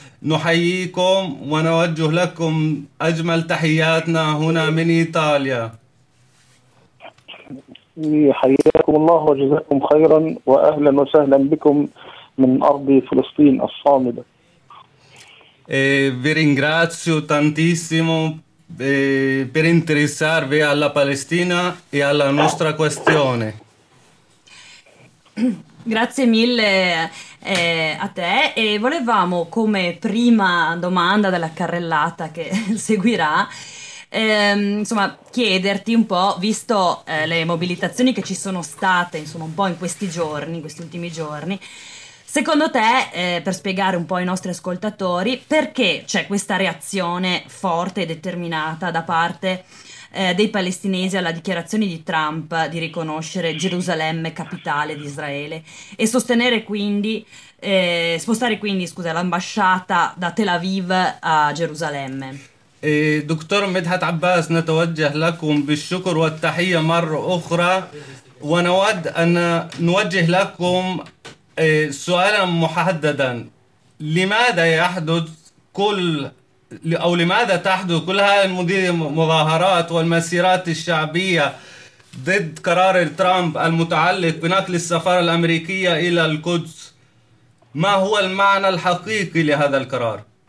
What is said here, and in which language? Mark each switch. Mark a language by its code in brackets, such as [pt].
[ar] نحييكم ونوجه لكم أجمل تحياتنا هنا من إيطاليا. حياكم الله وجزاكم خيرا، وأهلا وسهلا بكم من أرض فلسطين الصامدة. [it] Vi ringrazio tantissimo per interessarvi alla Palestina e alla nostra questione. Grazie mille a te, e volevamo, come prima domanda della carrellata che seguirà, insomma, chiederti un po', visto le mobilitazioni che ci sono state, insomma, un po' in questi giorni, questi ultimi giorni, secondo te, per spiegare un po' ai nostri ascoltatori, perché c'è questa reazione forte e determinata da parte dei palestinesi alla dichiarazione di Trump di riconoscere Gerusalemme capitale di Israele e sostenere quindi, spostare quindi, scusa, l'ambasciata da Tel Aviv a Gerusalemme? [ar] دكتور مدحت عباس، نتوجه لكم بالشكر والتحية مرة أخرى، ونود أن نوجه لكم سؤالا محددا: لماذا يحدث كل أو لماذا تحدث كل هذه المظاهرات والمسيرات الشعبية ضد قرار ترامب المتعلق بنقل السفارة الأمريكية إلى القدس؟ ما هو المعنى الحقيقي لهذا القرار؟